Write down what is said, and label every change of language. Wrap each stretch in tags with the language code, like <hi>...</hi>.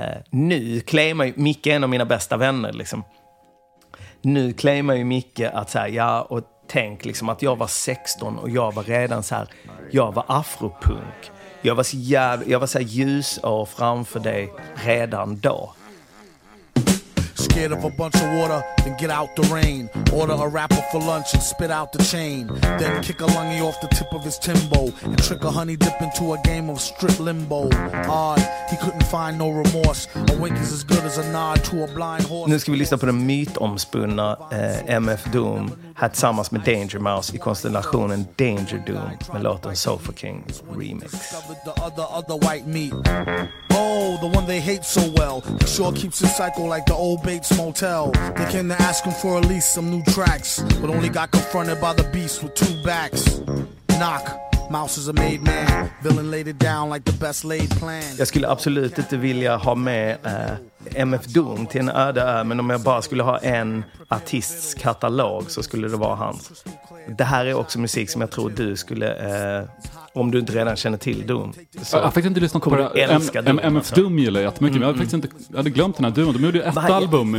<sv>Nu claimar ju Micke, en av mina bästa vänner liksom. Nu claimar ju Micke att så här, ja, och tänk liksom att jag var 16 och jag var redan så här, jag var afropunk. Jag var så här ljus och framför dig redan då.</sv> <en>Scared of a bunch of water, then get out the rain. Order a rapper for lunch and spit out the chain. Then kick a lungy off the tip of his timbo and trick a honey dip into a game of strip limbo. Odd, he couldn't find no remorse. A wink is as good as a nod to a blind horse.</en> <sv>Nu ska vi lyssna på den mytomspunna MF Doom här tillsammans med Danger Mouse i konstellationen Danger Doom med låten Sofa King Remix.</sv> <en>The other white meat. Oh, the one they hate so well. He sure keeps his cycle like the old Bates Motel. They came to ask him for at least some new tracks, but only got confronted by the beast with two backs. Knock, Mouse is a made man. Villain laid it down like the best laid plan.</en> <sv>Jag skulle absolut inte vilja ha med MF Doom till en öde ö, men om jag bara skulle ha en artists katalog så skulle det vara hans. Det här är också musik som jag tror du skulle, om du inte redan känner till Doom. Så jag fick inte lyssna på det. MF Doom gillar jättemycket, men jag faktiskt inte, jag hade glömt den här Doom. De gjorde ju ett album i</sv>